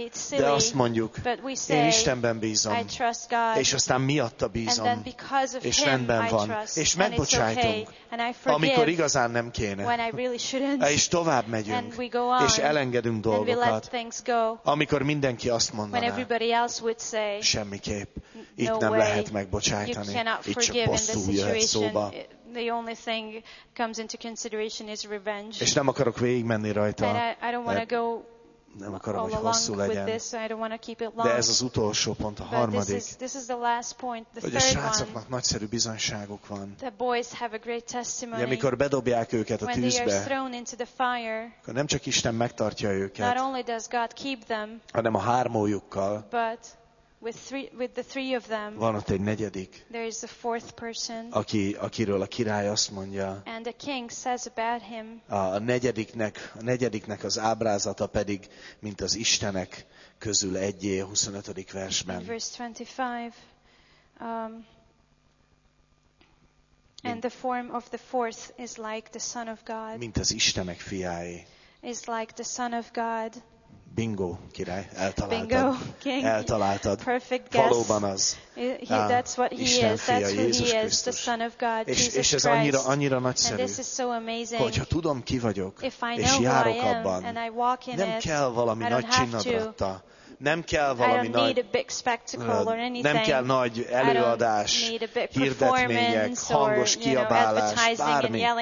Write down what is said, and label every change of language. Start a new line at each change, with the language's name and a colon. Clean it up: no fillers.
Hungarian: de azt mondjuk, én Istenben bízom, és aztán miatta bízom, és rendben van, és megbocsájtunk, amikor igazán nem kéne, és tovább megyünk, és elengedünk dolgokat, amikor mindenki azt mondaná, semmiképp, itt nem lehet megbocsájtani, itt csak bosszú jöhet szóba.
English: The only thing comes into consideration is revenge.
Hungarian: És nem akarok végigmenni rajta.
English: I don't want to go
Hungarian: nem akarom, hogy hosszú legyen.
English: This, so I don't want to keep it long.
Hungarian: De ez az utolsó pont, a harmadik.
English: This is the last point, the
Hungarian: hogy
English: third
Hungarian: a srácoknak nagyszerű bizonyságuk van.
English: The boys have a great testimony.
Hungarian: De amikor bedobják őket a tűzbe,
English: fire,
Hungarian: akkor nem csak Isten megtartja őket,
English: not only does God keep them,
Hungarian: hanem a hármójukkal,
English: but with the three of them,
Hungarian: van ott egy negyedik,
English: there is a fourth person,
Hungarian: akiről a király azt mondja,
English: and the king says about him,
Hungarian: a negyediknek az ábrázata pedig, mint az istenek közül egyé, 25. versben.
English: Verse 25. And the form of the fourth is like the son of God,
Hungarian: mint az istenek fiái.
English: Is like the son of God.
Hungarian: Bingo, király, eltaláltad.
English: Bingo, king.
Hungarian: Eltaláltad.
English: Perfect guess.
Hungarian: Valóban az.
English: That's what he
Hungarian: Isten
English: is. That's who
Hungarian: Jézus
English: he is,
Hungarian: Krisztus.
English: The son of God,
Hungarian: és,
English: Jesus Christ.
Hungarian: És ez annyira nagyszerű,
English: this is so amazing.
Hungarian: Hogyha tudom, ki vagyok, és járok abban, nem kell valami nagy csinadratta, nem kell valami nagy, nem kell nagy előadás, hirdetmények, hangos kiabálás, bármi.